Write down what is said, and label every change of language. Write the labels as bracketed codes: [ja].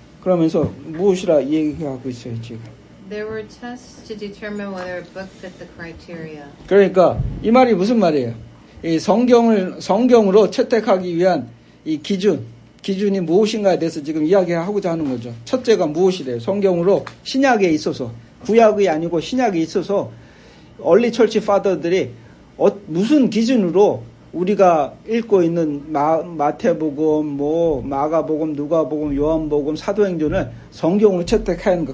[ko] 그러면서 무엇이라 얘기하고 있어요 지금. [en] There were tests to determine whether a book fit the criteria. [ko] 그러니까 이 말이 무슨 말이에요? 이 성경으로 채택하기 위한 이 기준이 무엇인가에 대해서 지금 이야기하고자 하는 거죠. 첫째가 무엇이래요? 성경으로 신약에 있어서 구약이 아니고 신약에 있어서 얼리 철치 파더들이 무슨 기준으로 우리가 읽고 있는 마태복음, 뭐 마가복음, 누가복음, 요한복음, 사도행전을 성경으로 채택하는가?